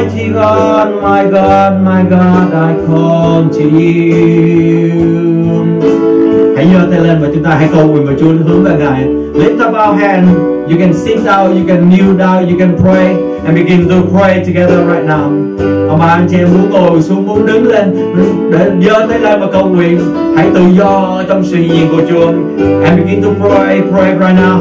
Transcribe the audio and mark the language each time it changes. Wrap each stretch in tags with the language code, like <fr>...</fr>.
<en>God, my God, my God, I come to you.</en> <vi>Hãy giơ tay lên và chúng ta hãy cầu nguyện với Chúa hướng về Ngài.</vi> <en>Lift up our hand. You can sit down, you can kneel down, you can pray and begin to pray together right now.</en> <vi>Ông anh chị muốn ngồi xuống, muốn đứng lên để giơ tay lên và cầu nguyện. Hãy tự do trong sự hiện diện của Chúa</vi> <en>and begin to pray, pray right now.</en>